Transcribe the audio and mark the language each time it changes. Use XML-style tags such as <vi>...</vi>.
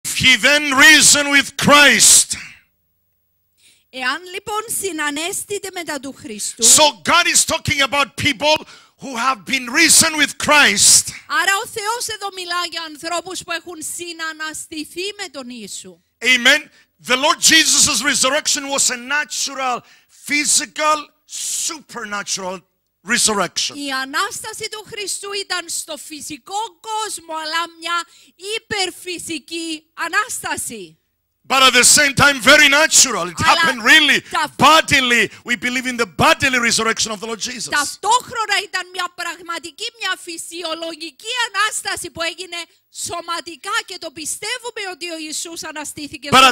<en>He then risen with Christ.</en> <el>Εάν λοιπόν συνανέστητε μετά του Χριστού.</el> <en>So God is talking about people who have been risen with Christ.</en> <el>Άρα ο Θεός εδώ μιλά για ανθρώπους που έχουν συναναστηθεί με τον Ιησού.</el> <en>Amen. The Lord Jesus' resurrection was a natural, physical, supernatural resurrection.</en> <el>Η ανάσταση του Χριστού ήταν στο φυσικό κόσμο, αλλά μια υπερφυσική ανάσταση.</el> <en>But at the same time, very natural. It happened really bodily. We believe in the bodily resurrection of the Lord Jesus.</en> <el>Ταυτόχρονα ήταν μια πραγματική, μια φυσιολογική ανάσταση που έγινε σωματικά και το πιστεύουμε ότι ο Ιησούς αναστήθηκε σωματικά.</el>